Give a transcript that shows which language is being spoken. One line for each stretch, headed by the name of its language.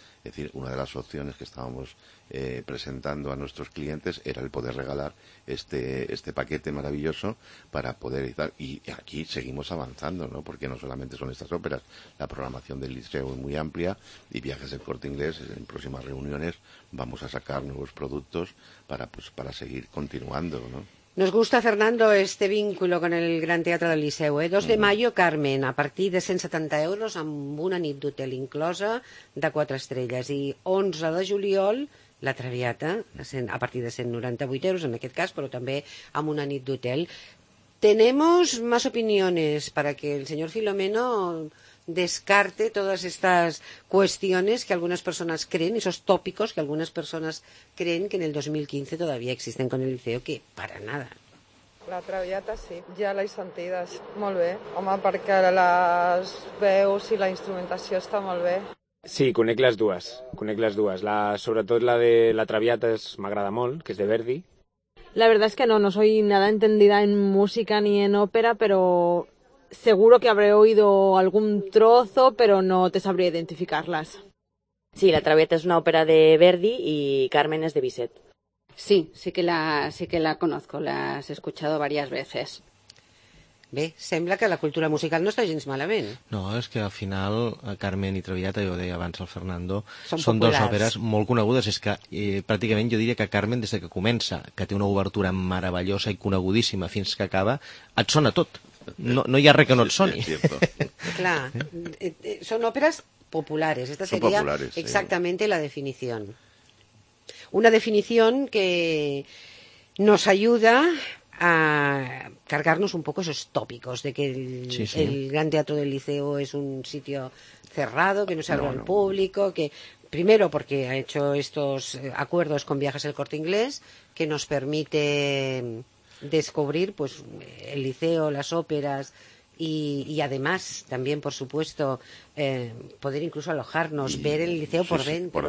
Spanish: Es decir, una de las opciones que estábamos presentando a nuestros clientes era el poder regalar este paquete maravilloso para poder estar. Y aquí seguimos avanzando, ¿no? Porque no solamente son estas óperas, la programación del Liceo es muy amplia y Viajes del Corte Inglés, en próximas reuniones vamos a sacar nuevos productos para seguir continuando, ¿no? Nos gusta, Fernando, este vínculo con el Gran Teatre del Liceu.
Catalan: 2 de maio, Carmen, a partir de 170 euros amb una nit d'hotel inclosa de 4 estrelles. I 11 de juliol, La Traviata, a partir de 198 euros en aquest cas, però també amb una nit d'hotel.
Spanish: Tenemos más opiniones para que el señor Filomeno descarte todas estas cuestiones que algunas personas creen, esos tópicos que algunas personas creen que en el 2015 todavía existen con el Liceo, que para nada.
Catalan: La Traviata sí, ja l'he sentida, molt bé. Home, perquè les veus i la instrumentació està molt bé. Sí, conec les dues. Sobretot la de La Traviata m'agrada molt, que és de Verdi.
Spanish: La verdad es que no soy nada entendida en música ni en ópera, pero seguro que habré oído algún trozo, pero no te sabría identificarlas. Sí, La Traviata es una ópera de Verdi y Carmen es de Bizet. Sí, sí que la conozco, la has escuchado varias veces.
Catalan: Bé, sembla que la cultura musical no està gens malament. No, és que al final Carmen i Traviata, jo ho deia abans al Fernando, són dues òperes molt conegudes. És que pràcticament jo diria que Carmen, des que comença, que té una obertura meravellosa i conegudíssima fins que acaba, et sona tot. No hi ha res que no et soni. Clar, són òperes populares. Esta seria exactament la definició.
Spanish: Una definició que nos ajuda a cargarnos un poco esos tópicos de que el Gran Teatro del Liceo es un sitio cerrado, que no se abre al público, que primero porque ha hecho estos acuerdos con Viajes del Corte Inglés, que nos permite descubrir pues el liceo, las óperas y además también, por supuesto, poder incluso alojarnos, ver el liceo dentro.